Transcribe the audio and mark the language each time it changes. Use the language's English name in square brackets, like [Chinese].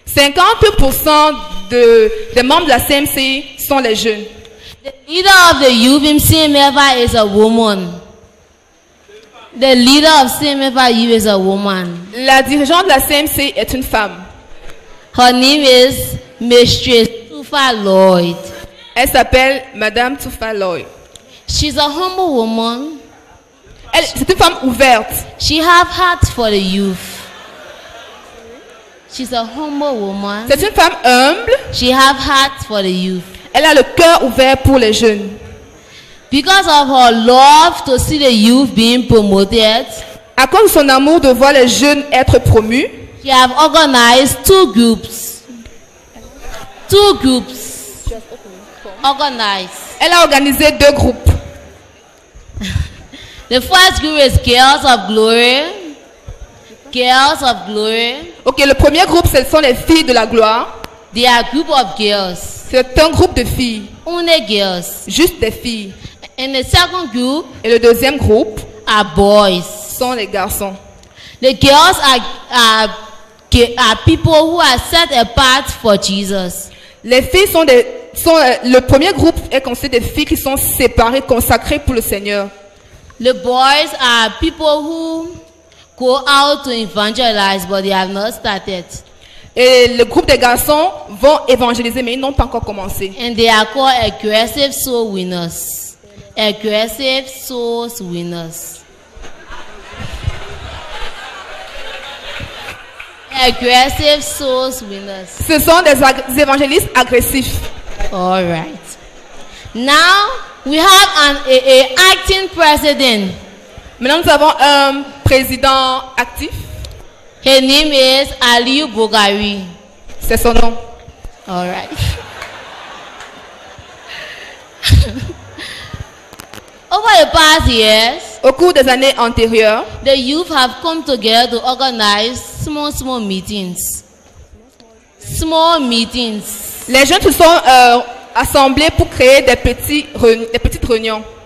[French] 50% des membres de la CMCI sont les jeunes. [English] The leader of the youth in CMFI is a woman. The leader of CMFI youth is a woman. [French] La dirigeante de la CMCI est une femme. [English] Her name is Mistress Tufa Lloyd. [French] Elle s'appelle Madame Tufa Lloyd. [English] She's a humble woman. [French] Elle, c'est une femme ouverte. [English] She have heart for the youth. She's a humble woman. [French] C'est une femme humble. [English] She have heart for the youth. [French] Elle a le cœur ouvert pour les jeunes. [English] Because of her love to see the youth being promoted. [French] À cause de son amour de voir les jeunes être promus. [English] She has organized two groups. organized. [French] Elle a organisé deux groupes. [English] The first group is Girls of Glory. Girls of Glory. [French] Ok, le premier groupe, ce sont les filles de la gloire. [English] They are a group of girls. [French] C'est un groupe de filles. [English] Only girls. [French] Juste des filles. [English] And the second group. [French] Et le deuxième groupe. [English] Are boys. [French] Sont les garçons. [English] The girls are people who are set apart for Jesus. [French] Les filles sont des le premier groupe est constitué de filles qui sont séparées, consacrées pour le Seigneur. [English] The boys are people who go out to evangelize, but they have not started. [French] Et le groupe des garçons vont évangéliser, mais ils n'ont pas encore commencé. [English] And they are called aggressive soul winners. Aggressive soul winners. Aggressive soul winners. [French] Ce sont des évangélistes agressifs. [English] All right. Now we have an acting president. [French] Maintenant nous avons un président actif. [English] His name is Aliou Bougari. [French] C'est son nom. [English] All right. Over the past years, [French] au cours des années antérieures, [English] the youth have come together to organize small, small meetings. Small meetings. [French] Les jeunes se sont assemblés pour créer des petites réunions.